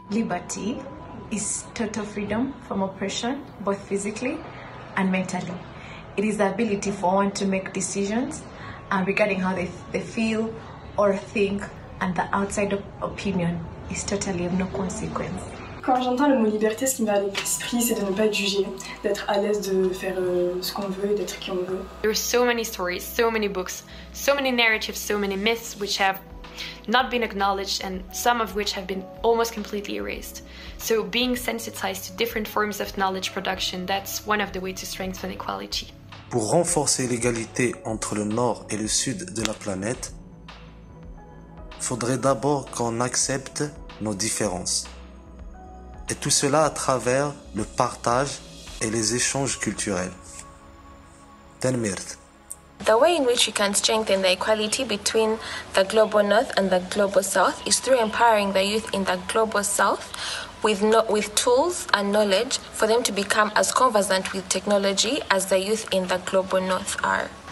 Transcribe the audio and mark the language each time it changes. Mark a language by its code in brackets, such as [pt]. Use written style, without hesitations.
[en] Liberty is total freedom from oppression, both physically and mentally. It is the ability for one to make decisions regarding how they feel or think, and the outside opinion is totally of no consequence. [fr] Quand j'entends le mot liberté, ce qui me vient à l'esprit, c'est de ne pas juger, d'être à l'aise de faire ce qu'on veut et d'être qui on veut. [en] There are so many stories, so many books, so many narratives, so many myths which have not been acknowledged and some of which have been almost completely erased. So being sensitized to different forms of knowledge production, that's one of the ways to strengthen equality. [fr] Pour renforcer l'égalité entre le nord et le sud de la planète, faudrait d'abord qu'on accepte nos différences. Et tout cela à travers le partage et les échanges culturels. [kab] Tenmirt. [en] The way in which we can strengthen the equality between the global north and the global south is through empowering the youth in the global south with tools and knowledge for them to become as conversant with technology as the youth in the global north are.